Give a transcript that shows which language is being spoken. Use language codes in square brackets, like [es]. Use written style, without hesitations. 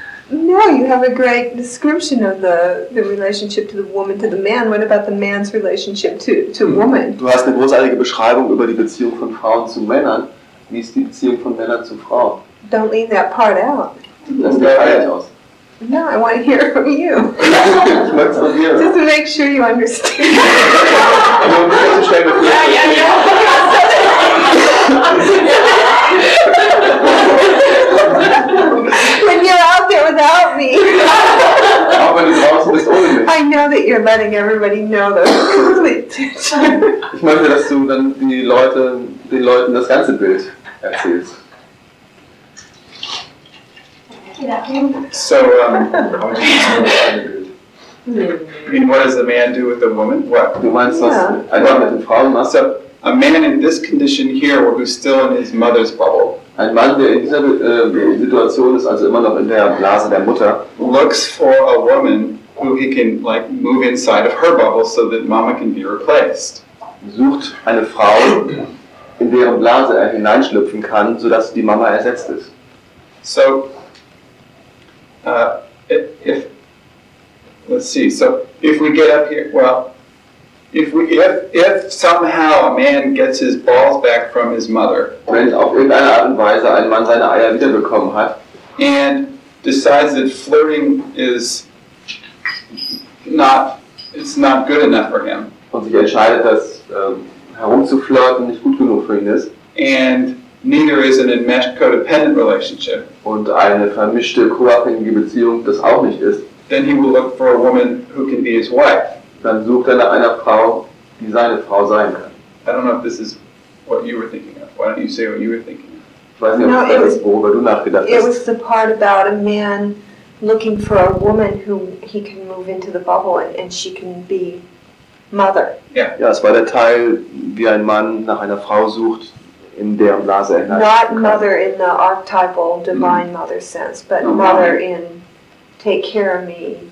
[en] No, you have a great description of the relationship to the woman, to the man. What about the man's relationship to woman? [de] Du hast eine großartige Beschreibung über die Beziehung von Frauen zu Männern. Wie ist die Beziehung von Männern zu Frauen? [en] Don't leave that part out. [de] Das ist der Teil aus. [en] No, I want to hear from you. [de] Ich möchte es von dir. [en] Just to make sure you understand. [de] Und dann möchte ich es schnell mit dir. Ja, ja, ja. [en] When you're out there without me. I know that you're letting everybody know the complete picture. [de] Ich möchte, dass du dann den Leuten das ganze Bild erzählst. [en] So, I mean, what does the man do with the woman? What? [de] Du meinst, was mit den Frauen machst? [en] So, a man in this condition here, who's still in his mother's bubble. [de] Ein Mann, der in dieser Situation ist, also immer noch in der Blase der Mutter. [en] Looks for a woman who he can like move inside of her bubble, so that Mama can be replaced. [de] Sucht eine Frau, in deren Blase er hineinschlüpfen kann, so dass die Mama ersetzt ist. [en] So, if let's see. So if we get up here, well. If somehow a man gets his balls back from his mother, [de] wenn auf irgendeine Art und Weise ein Mann seine Eier wiederbekommen hat, [en] and decides that flirting is not, it's not good enough for him, [de] und sich entscheidet, dass herumzuflirten nicht gut genug für ihn ist, [en] and neither is an enmeshed codependent relationship, [de] und eine vermischte co-abhängige Beziehung das auch nicht ist, [en] then he will look for a woman who can be his wife. [de] Dann sucht er nach einer Frau, die seine Frau sein kann. [en] I don't know if this is what you were thinking of. Why don't you say what you were thinking of? [de] Ich weiß nicht, ob das, worüber du nachgedacht hast. [en] It was the part about a man looking for a woman whom he can move into the bubble and she can be mother. Yeah. [de] Ja, es war der Teil, wie ein Mann nach einer Frau sucht, in deren Blase er hineinkommt. [en] Not mother in the archetypal divine mother sense, but no, mother in take care of me.